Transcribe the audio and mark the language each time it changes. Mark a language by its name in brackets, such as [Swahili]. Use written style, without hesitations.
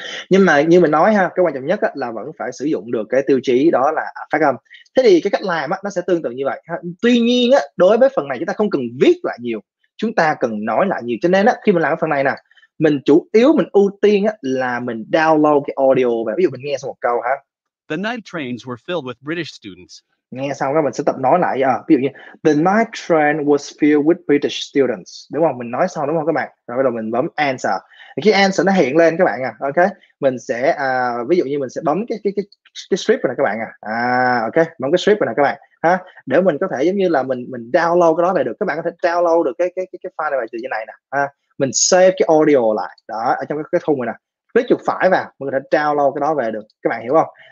[Vietnamese] Nhưng mà như mình nói ha, cái quan trọng nhất á, là vẫn phải sử dụng được cái tiêu chí đó là phát âm. Thế thì cái cách làm á, nó sẽ tương tự như vậy ha. Tuy nhiên á, đối với phần này chúng ta không cần viết lại nhiều, chúng ta cần nói lại nhiều. Cho nên á, khi mình làm cái phần này nè, mình chủ yếu mình ưu tiên á, là mình download cái audio về, ví dụ mình nghe xong một câu ha. [English] The night trains were filled with British students. [Vietnamese] Nghe xong đó mình sẽ tập nói lại à. Ví dụ như [English] the night train was filled with British students, [Vietnamese] đúng không? Mình nói xong đúng không các bạn? Rồi bắt đầu mình bấm answer. Khi answer nó hiện lên các bạn à, ok, mình sẽ ví dụ như mình sẽ bấm cái strip này các bạn à. À, ok, bấm cái strip này các bạn ha, để mình có thể giống như là mình download cái đó về được. Các bạn có thể download được cái file này từ như này nè ha. Mình save cái audio lại đó ở trong cái thùng này nè, click chuột phải vào mình có thể download cái đó về được, các bạn hiểu không?